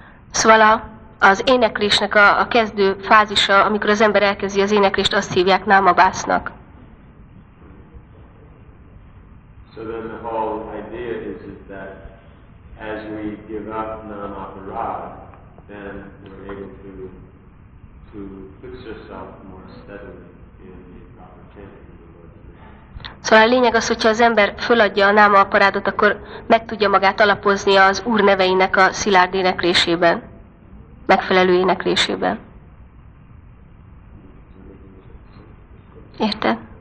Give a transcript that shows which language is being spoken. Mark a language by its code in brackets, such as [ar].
[hu] Szóval az éneklésnek a kezdő fázisa, amikor az ember elkezdi az éneklést, azt hívják námabásznak. [en] So then the whole idea is that as we give up namaparad, then we're able to fix ourselves more steadily in the proper chanting. [hu] Szóval a lényeg az, hogyha az ember föladja a námaparádot, akkor meg tudja magát alapozni az Úr neveinek a szilárd éneklésében, megfelelő éneklésében. Érted?